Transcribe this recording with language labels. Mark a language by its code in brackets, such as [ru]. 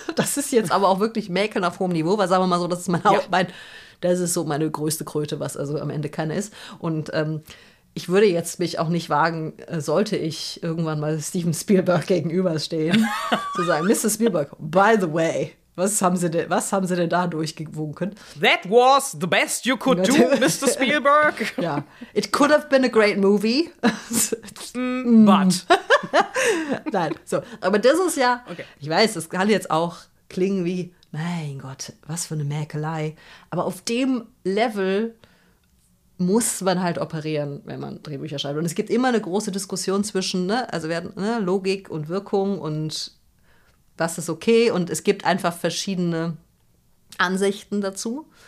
[de] Das ist jetzt aber auch wirklich Mäkeln auf hohem Niveau, weil sagen wir mal so, das ist das ist so meine größte Kröte, was also am Ende keine ist. Und ich würde jetzt mich auch nicht wagen, sollte ich irgendwann mal Steven Spielberg gegenüberstehen, zu sagen, Mr. Spielberg, [en] by the way. [de] Was haben sie denn da durchgewunken? [en] That was the best you could do, Mr. Spielberg. Ja, it could have been a great movie. But. [de] Nein, so. Aber das ist ja, ich weiß, das kann jetzt auch klingen wie, mein Gott, was für eine Mäkelei. Aber auf dem Level muss man halt operieren, wenn man Drehbücher schreibt. Und es gibt immer eine große Diskussion zwischen, Logik und Wirkung und das ist okay und es gibt einfach verschiedene Ansichten dazu.